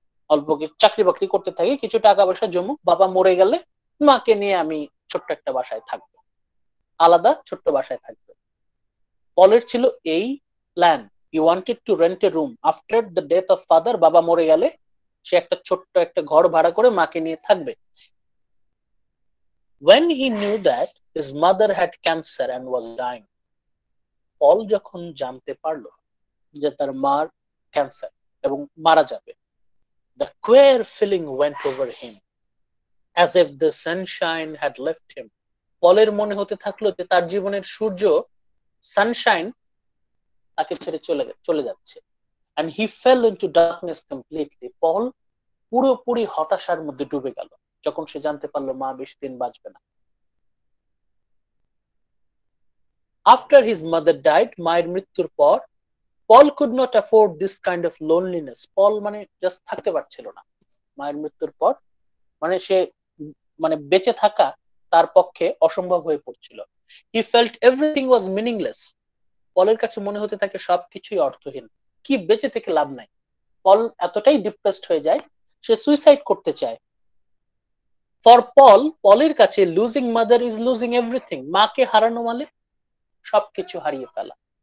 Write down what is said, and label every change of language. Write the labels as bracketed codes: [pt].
[bn] অল্প চাকরি বাকরি করতে থাকি, কিছু টাকা পয়সা জমুক, বাবা মরে গেলে মাকে নিয়ে আমি ছোট্ট একটা বাসায় থাকবো, আলাদা ছোট্ট বাসায় থাকবো। পলের ছিল এই plan, [en] he wanted to rent a room after the death of father, [bn] বাবা মরে গেলে সে একটা ছোট্ট একটা ঘর ভাড়া করে মাকে নিয়ে থাকবে। [en] When he knew that his mother had cancer and was dying, [bn] Paul jokhon jante parlo যে তার মার ক্যান্সার এবং মারা যাবে। [en] The queer feeling went over him as if the sunshine had left him. [bn] পলের মনে হতে থাকলো যে তার জীবনের সূর্য সানশাইন তাকে ছেড়ে চলে যাচ্ছে। [en] And he fell into darkness completely. [bn] পল পুরোপুরি হতাশার মধ্যে ডুবে গেল যখন সে জানতে পারলো মা বেশি দিন বাঁচবে না। [en] After his mother died, [bn] মায়ের মৃত্যুর পর, [en] Paul could not afford this kind of loneliness. [bn] Paul মানে just থাকতে পারছিল না মায়ের মৃত্যুর পর, মানে সে মানে বেঁচে থাকা তার পক্ষে অসম্ভব হয়ে পড়ছিল। [en] He felt everything was meaningless. [bn] পলের কাছে মনে হতে থাকে সবকিছুই অর্থহীন, কি বেঁচে থেকে লাভ নাই। পল এতটাই ডিপ্রেসড হয়ে যায় সে সুইসাইড করতে চায়। [en] for Paul, [bn] পলের কাছে [en] losing mother is losing everything, [bn] মাকে হারানো মানে সবকিছু হারিয়ে ফেলা।